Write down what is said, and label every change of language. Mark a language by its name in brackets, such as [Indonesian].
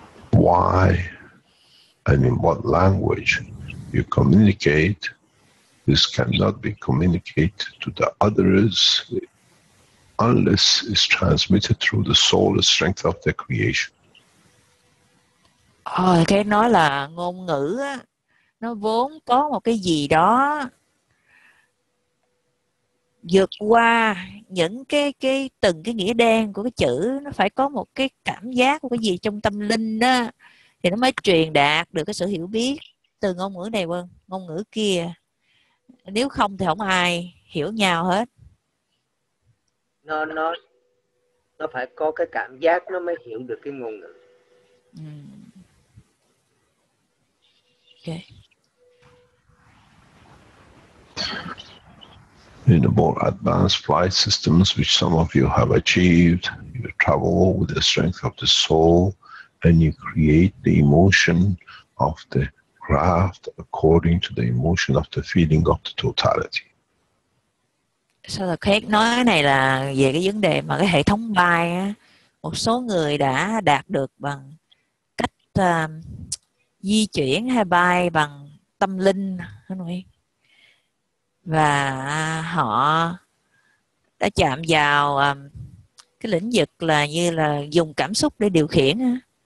[English] Why and in what language you communicate, this cannot be communicated to the others unless it's transmitted through the soul, the strength of the creation. [Vietnamese] Cái nói là ngôn ngữ á, nó vốn có một cái gì đó vượt qua những cái từng cái nghĩa đen của cái chữ, nó phải có một cái cảm giác của cái gì trong tâm linh á, thì nó mới truyền đạt được cái sự hiểu biết từ ngôn ngữ này qua ngôn ngữ kia. Nếu không thì không ai hiểu nhau hết. Nó phải có cái cảm giác nó mới hiểu được cái ngôn ngữ. Okay. [English] In the more advanced flight systems which some of you have achieved, you travel with the strength of the soul, and you create the emotion of the craft according to the emotion of the feeling of the totality. [Vietnamese] Sao là khác nói cái này là về cái vấn đề mà cái hệ thống bay á, một số người đã đạt được bằng cách di chuyển hay bay bằng tâm linh, và họ đã chạm vào cái lĩnh vực là như là dùng cảm xúc để điều khiển á.